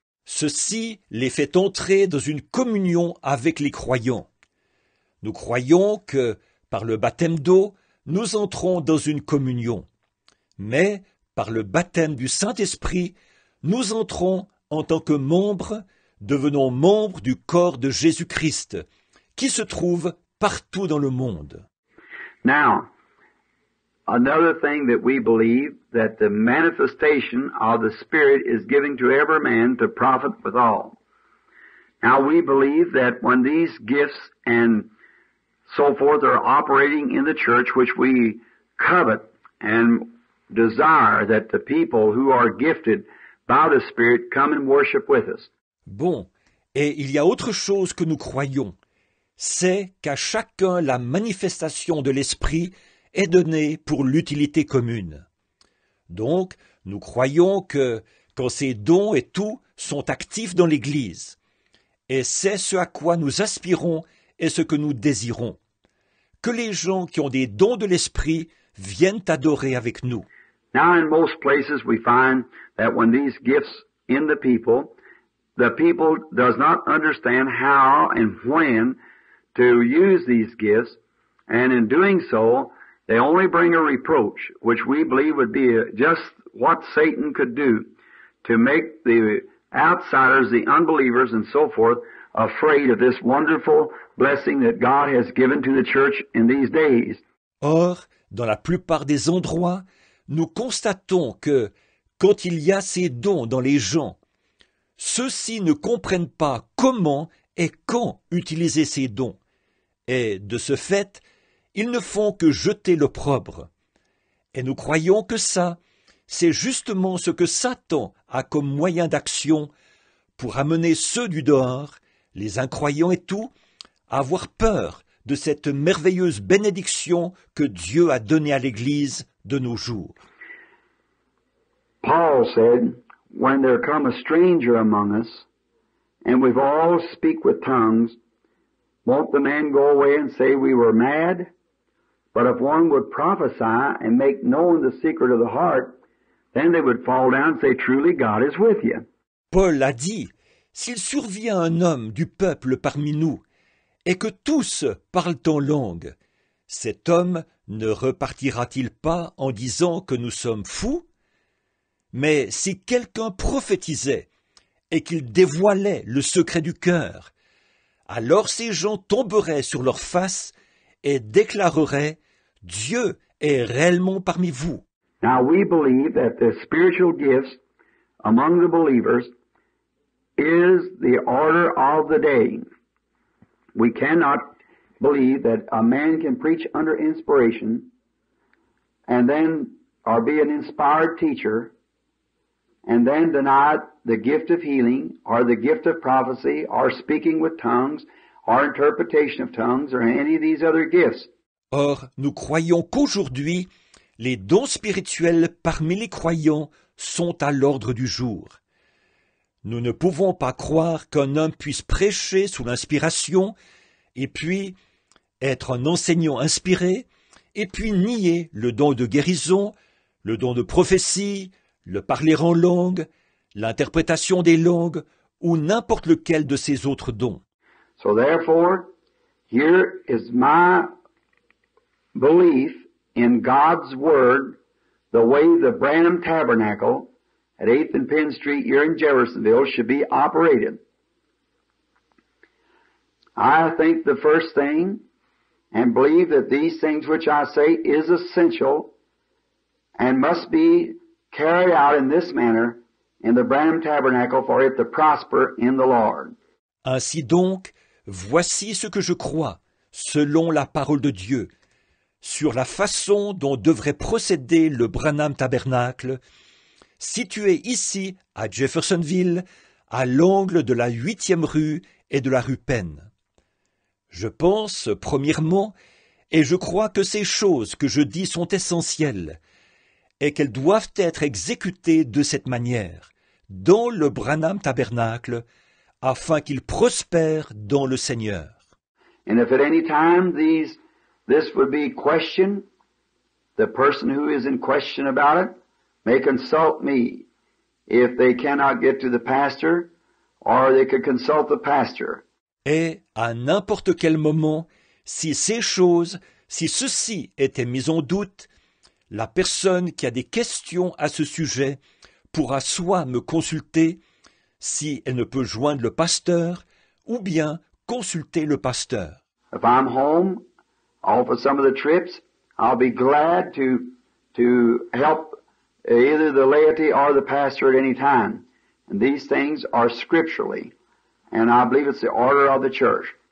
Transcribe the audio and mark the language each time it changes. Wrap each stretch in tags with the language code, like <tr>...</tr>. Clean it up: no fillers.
<fr>Ceci les fait entrer dans une communion avec les croyants. Nous croyons que, par le baptême d'eau, nous entrons dans une communion. Mais, par le baptême du Saint-Esprit, nous entrons en tant que membres, devenons membres du corps de Jésus-Christ, qui se trouve partout dans le monde.</fr> <en>Now, another thing that we believe, that the manifestation of the Spirit is given to every man to profit withal. Now we believe that when these gifts and so forth are operating in the church, which we covet and desire that the people who are gifted by the Spirit come and worship with us.</en> <fr>Bon, et il y a autre chose que nous croyons. C'est qu'à chacun la manifestation de l'Esprit est donnée pour l'utilité commune. Donc, nous croyons que quand ces dons et tout sont actifs dans l'Église, et c'est ce à quoi nous aspirons et ce que nous désirons, que les gens qui ont des dons de l'Esprit viennent adorer avec nous.</fr> <en>Now, in most places, we find that when these gifts in the people does not understand how and when to use these gifts, and in doing so, they only bring a reproach, which we believe would be just what Satan could do to make the outsiders, the unbelievers, and so forth, afraid of this wonderful blessing that God has given to the church in these days.</en> <fr>Or, dans la plupart des endroits, nous constatons que, quand il y a ces dons dans les gens, ceux-ci ne comprennent pas comment et quand utiliser ces dons. Et, de ce fait, ils ne font que jeter l'opprobre. Et nous croyons que ça, c'est justement ce que Satan a comme moyen d'action pour amener ceux du dehors, les incroyants et tout, à avoir peur de cette merveilleuse bénédiction que Dieu a donnée à l'Église de nos jours.</fr> <en>Paul said, when there come a stranger among us, and we all speak with tongues, won't the man go away and say we were mad? But if one would prophesy and make known the secret of the heart, then they would fall down and say, truly, God is with you.</en> <fr>Paul a dit, s'il survient un homme du peuple parmi nous, et que tous parlent en langue, cet homme ne repartira-t-il pas en disant que nous sommes fous? Mais si quelqu'un prophétisait et qu'il dévoilait le secret du cœur, alors ces gens tomberaient sur leur face et déclarerait, Dieu est réellement parmi vous.</fr> <en>Now we believe that the spiritual gifts among the believers is the order of the day. We cannot believe that a man can preach under inspiration and then or be an inspired teacher and then deny the gift of healing or the gift of prophecy or speaking with tongues or interpretation of tongues, or any of these other gifts.</en> <fr>Or, nous croyons qu'aujourd'hui, les dons spirituels parmi les croyants sont à l'ordre du jour. Nous ne pouvons pas croire qu'un homme puisse prêcher sous l'inspiration, et puis être un enseignant inspiré, et puis nier le don de guérison, le don de prophétie, le parler en langue, l'interprétation des langues, ou n'importe lequel de ces autres dons.</fr> <en>So therefore, here is my belief in God's Word, the way the Branham Tabernacle at 8th and Penn Street here in Jeffersonville should be operated. I think the first thing, and believe that these things which I say is essential and must be carried out in this manner in the Branham Tabernacle for it to prosper in the Lord.</en> <fr>Ainsi donc, voici ce que je crois, selon la parole de Dieu, sur la façon dont devrait procéder le Branham Tabernacle, situé ici, à Jeffersonville, à l'angle de la 8e rue et de la rue Penn. Je pense, premièrement, et je crois que ces choses que je dis sont essentielles, et qu'elles doivent être exécutées de cette manière, dans le Branham Tabernacle, afin qu'il prospère dans le Seigneur.</fr> <en>And if at any time this would be questioned, the person who is in question about it may consult me. If they cannot get to the pastor, or they could consult the pastor.</en> <fr>Et à n'importe quel moment, si ceci était mis en doute, la personne qui a des questions à ce sujet pourra soit me consulter si elle ne peut joindre le pasteur, ou bien consulter le pasteur.</fr> <en>If I'm home, off of some of the trips, I'll be glad to help either the laity or the pastor at any time. And these things are scripturally. And I believe it's the order of the church.</en>